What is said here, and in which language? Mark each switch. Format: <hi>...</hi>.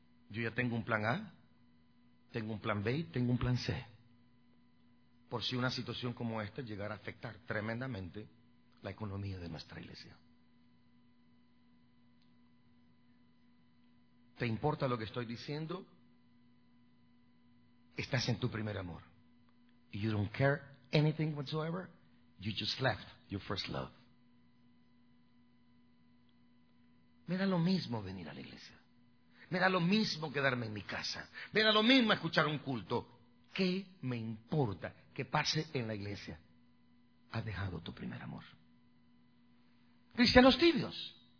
<es>Yo ya tengo un plan A, tengo un plan B y tengo un plan C. Por si una situación como esta llegara a afectar tremendamente la economía de nuestra iglesia. ¿Te importa lo que estoy diciendo? Estás en tu primer amor.</es> <en>You don't care anything whatsoever. You just left your first love.</en> <es>Me da lo mismo venir a la iglesia. Me da lo mismo quedarme en mi casa. Me da lo mismo escuchar un culto. ¿Qué me importa que pase en la iglesia? Has dejado tu primer amor. Cristianos tibios.</es>